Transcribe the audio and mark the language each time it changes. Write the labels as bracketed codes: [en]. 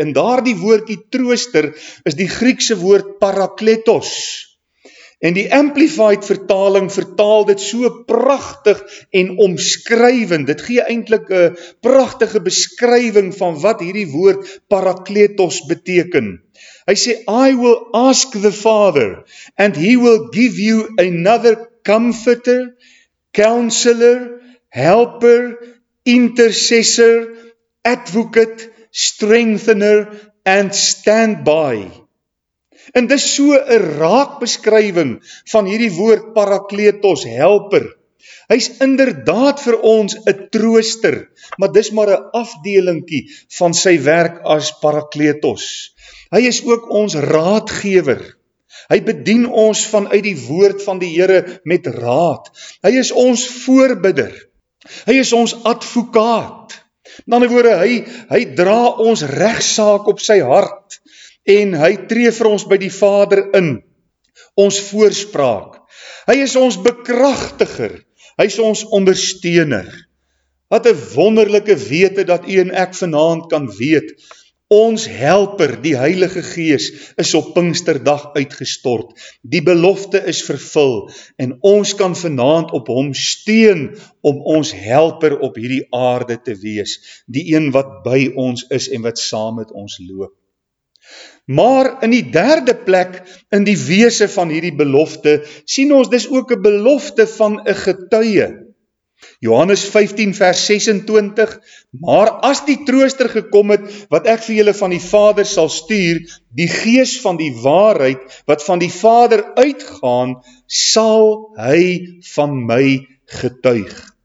[af] En daardie woordjie trooster is die Griekse woord parakletos. En die Amplified vertaling vertaal dit so pragtig en omskrywend. Dit gee eintlik 'n pragtige beskrywing van wat hierdie woord parakletos beteken. Hy sê, [en] I will ask the Father and he will give you another comforter, counselor, helper, intercessor, advocate, strengthener and standby. [af] En dis so 'n raakbeskrywing van hierdie woord parakletos, helper. Hy's inderdaad vir ons 'n trooster, maar dis maar 'n afdelingkie van sy werk as parakletos. Hy is ook ons raadgewer. Hy bedien ons vanuit die woord van die Here met raad. Hy is ons voorbidder. Hy is ons advokaat. In ander woorde, hy dra ons regsaak op sy hart. En hy tree vir ons by die Vader in, ons voorspraak. Hy is ons bekragtiger, hy is ons ondersteuner. Wat 'n wonderlike wete dat u en ek vanaand kan weet, ons helper, die Heilige Gees, is op Pinksterdag uitgestort. Die belofte is vervul en ons kan vanaand op hom steun om ons helper op hierdie aarde te wees. Die een wat by ons is en wat saam met ons loop. Maar in die derde plek in die wese van hierdie belofte sien ons dis ook 'n belofte van 'n getuie. Johannes 15 vers 26, maar as die trooster gekom het wat ek vir julle van die Vader sal stuur, die Gees van die waarheid wat van die Vader uitgaan, sal hy van my getuig.